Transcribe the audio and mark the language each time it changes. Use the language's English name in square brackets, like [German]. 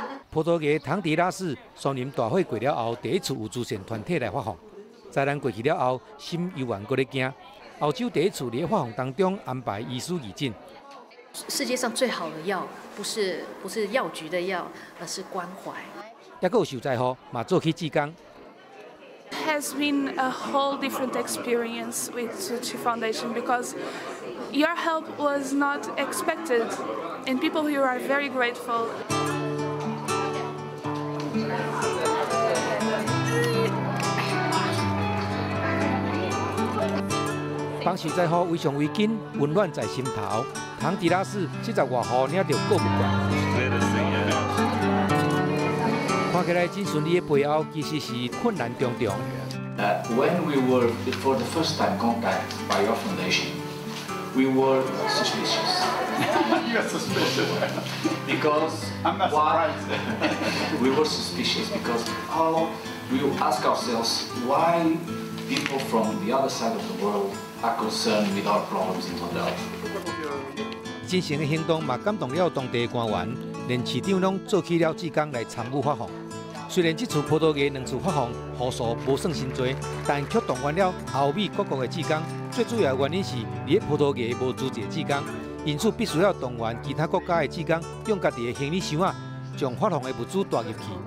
[Chinese] 葡萄牙唐迪拉市双林大会过了后，第一次有慈善团体来发放。灾难过去了后，心又还搁咧惊。澳洲第一次在发放当中安排医师义诊。世界上最好的药，不是药局的药，而是关怀。也够受灾户，嘛做起志工。 [English] Has been a whole different experience with Tsuchi Foundation because your help was not expected, and people here are very grateful. [Chinese] 帮受灾户围上围巾，温暖在心头。唐迪拉斯72户领着购物袋。看起来真顺利的背后，其实是困难重重。 [English] When we were for the first time contacted by your foundation, we were suspicious. You are suspicious. Because I'm not surprised. We were suspicious because how we ask ourselves why people from the other side of the world are concerned with our problems in Tondela. [Chinese] 真诚的行动嘛，感动了当地官员，连市长拢做起了志工来参与发放。虽然这次葡萄牙两次发放户数不算真多，但却动员了欧美各国的志工。最主要的原因是，伫葡萄牙无组织志工，因此必须要动员其他国家的志工，用家己的行李箱啊，将发放的物资带入去。